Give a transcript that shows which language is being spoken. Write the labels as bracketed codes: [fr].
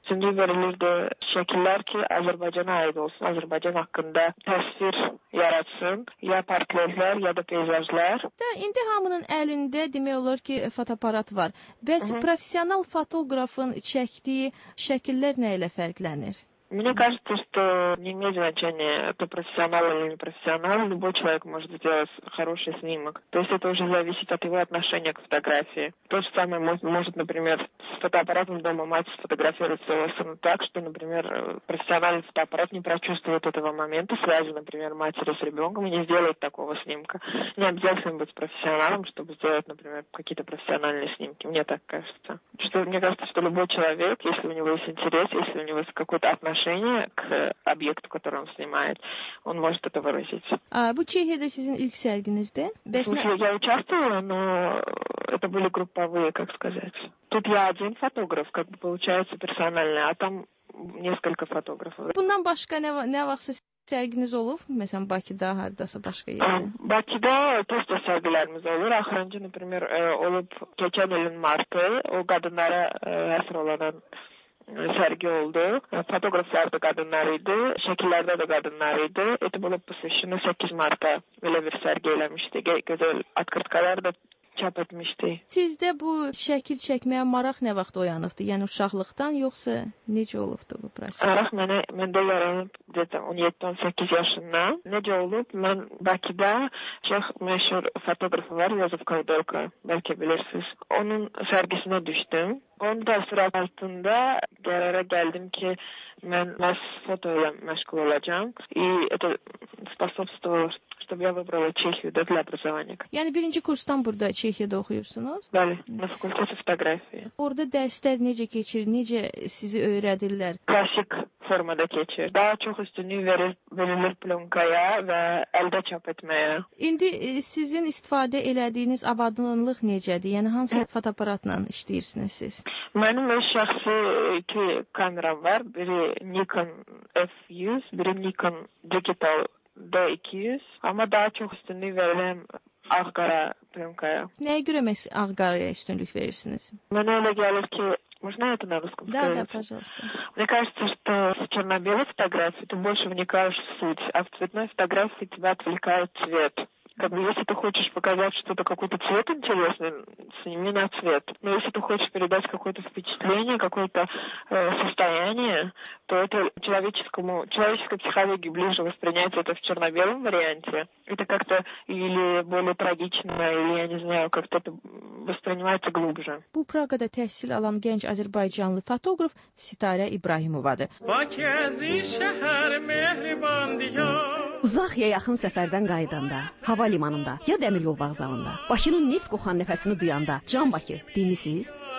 [az] Üçüncü verilirdi şəkillər ki, Azərbaycana aid olsun, Azərbaycan haqqında təsvir yaratsın, ya portretlər, ya da peyzajlar. İndi hamının əlində demək olar ki, fotoaparat var. Bəs professional fotoqrafın çəkdiyi şəkillər nə ilə fərqlənir? [ru] Мне кажется, что не имеет значения, это профессионал или не профессионал, любой человек может сделать хороший снимок. То есть это уже зависит от его отношения к фотографии. То же самое может, например, с фотоаппаратом дома мать сфотографировать своего сына так, что, например, профессиональный фотоаппарат не прочувствует этого момента, связи, например, матери с ребенком и не сделает такого снимка. Не обязательно быть профессионалом, чтобы сделать, например, какие-то профессиональные снимки, мне так кажется. Что, мне кажется, что любой человек, если у него есть интерес, если у него есть какой-то отношение к объекту, который он снимает, он может это выразить. А вы Чехия, сезон [az] ilk serginizde? [ru] Я участвовала, но это были групповые, как сказать. Тут я один фотограф, как бы получается персональный, а там несколько фотографов. [az] Bundan başqa nə vaxtsa sərginiz olub? Məsələn, Bakıda, haradasa başqa yerdə? Bakıda posta sərgilərimiz olur. Axırıncı, [ru] например, [az] olub keçən ilin martı, o qadınlara həsr olunan sərgi oldu. Fotoqraflar da qadınlar idi, şəkillərdə də qadınlar idi. [ru] Это было посвящено 8 марта. [az] Belə bir sərgi eləmişdi. Gözəl открытkalar da çap etmişdi. Sizdə bu şəkil çəkməyə maraq nə vaxt oyanıbdı? Yəni uşaqlıqdan yoxsa necə olubdu bu proses? Maraq məndə yaranıb 17-18 yaşında. Necə olub? Mən Bakıda çox məşhur fotoqrafı var, Yozef Kaldorka, bəlkə bilirsiniz. Onun sərgisinə düşdüm. Onun təsiri altında qərara gəldim ki, mən məhz foto ilə məşğul olacağım. [ru] Это способствовало, чтобы я выбрала Чехию для образования. [az] Yəni, birinci kursdan burada Çexiyada oxuyursunuz? Bəli, [ru] на факультете фотографии. [az] Orada dərslər necə keçir, necə sizi öyrədirlər? Klasik formada keçir. Daha çox üstünlük verilir plonkaya və əldə çap etməyə. İndi sizin istifadə elədiyiniz avadınlıq necədir? Yəni, hansı fotoaparatla işləyirsiniz siz? Mənim öz şəxsi iki kameram var. Biri Nikon F100, biri Nikon Digital D200. Amma daha çox üstünlük verirəm ağ-qara plonkaya. Nəyə görə məhz ağ-qaraya üstünlük verirsiniz? Mənə elə gəlir ki, [ru] Можно это на русском да, сказать? Да, пожалуйста. Мне кажется, что в черно-белой фотографии ты больше вникаешь в суть, а в цветной фотографии тебя отвлекает цвет. Как бы, если ты хочешь показать что-то, какой-то цвет интересный, сними на цвет. Но если ты хочешь передать какое-то впечатление, какое-то состояние, то это человеческой психологии ближе воспринять это в черно-белом варианте. Это как-то или более трагично, или, я не знаю, как-то это воспринимается глубже. [az] Bu Praqada təhsil alan gənc azərbaycanlı fotoqraf Sitariya İbrahimovadır. Bakı əziz şəhər mehriban diyar. Uzaq ya yaxın səfərdən qayıdanda, hava limanında, ya dəmir yol vağzalında, Bakının neft qoxan nəfəsini duyanda, Can Bakı, deyilmisiniz?